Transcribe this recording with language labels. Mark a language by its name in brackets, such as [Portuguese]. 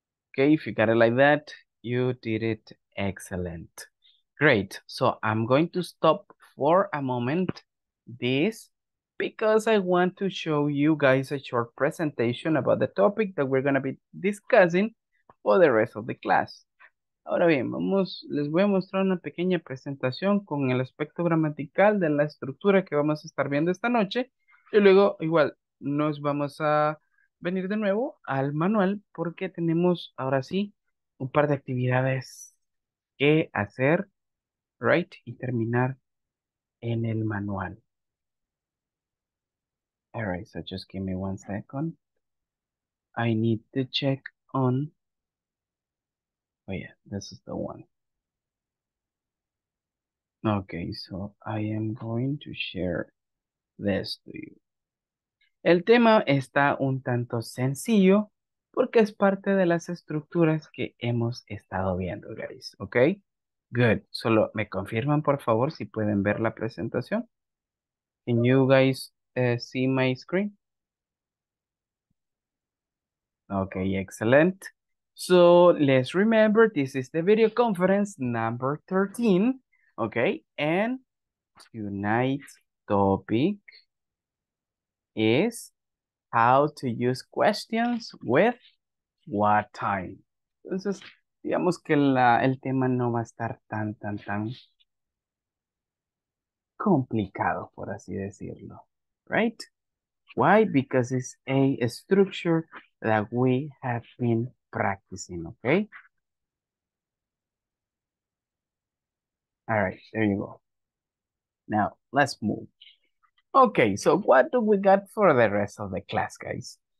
[English] Okay, if you got it like that, you did it excellent. Great. So I'm going to stop for a moment this because I want to show you guys a short presentation about the topic that we're going to be discussing for the rest of the class. [Spanish] Ahora bien, les voy a mostrar una pequeña presentación con el aspecto gramatical de la estructura que vamos a estar viendo esta noche. Y luego, igual, nos vamos a venir de nuevo al manual porque tenemos ahora sí un par de actividades que hacer, right, y terminar en el manual. [English] All right, so just give me one second. I need to check on. Oh yeah, this is the one. Okay, so I am going to share this to you. [Spanish] El tema está un tanto sencillo porque es parte de las estructuras que hemos estado viendo, guys. ¿Ok? Good. Solo me confirman, por favor, si pueden ver la presentación. [English] Can you guys see my screen? Ok, excellent. So, let's remember, this is the video conference number 13. ¿Ok? And tonight's topic is how to use questions with what time. [Spanish] Entonces, digamos que el tema no va a estar tan complicado, por así decirlo, right? [English] Why? Because it's a structure that we have been practicing, okay? All right, there you go. Now, let's move. Okay, so what do we got for the rest of the class, guys?